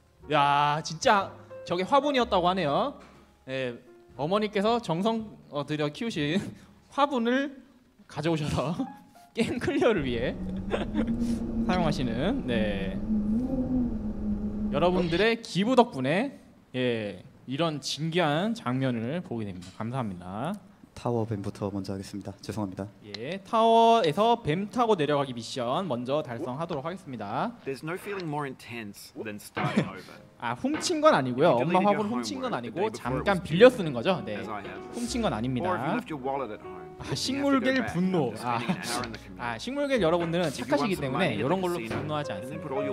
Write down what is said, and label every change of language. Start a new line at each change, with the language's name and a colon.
Korean: 야, 진짜 저게 화분이었다고 하네요. 예, 어머니께서 정성 들여 키우신 화분을 가져오셔서 게임 클리어를 위해 사용하시는 네, 여러분들의 기부 덕분에 예, 이런 진기한 장면을 보게 됩니다. 감사합니다. 타워 뱀부터 먼저 하겠습니다. 죄송합니다. 예, 타워에서 뱀 타고 내려가기 미션 먼저 달성하도록 하겠습니다.
English: There's no feeling more intense than starting over.
Korean: 아, 훔친 건 아니고요. 엄마 화분 훔친 건 아니고 잠깐 빌려 쓰는 거죠. 네, 훔친 건 아닙니다. 아, 식물겔 분노. 아, 식물겔 여러분들은 착하시기 때문에 이런 걸로 분노하지 않습니다.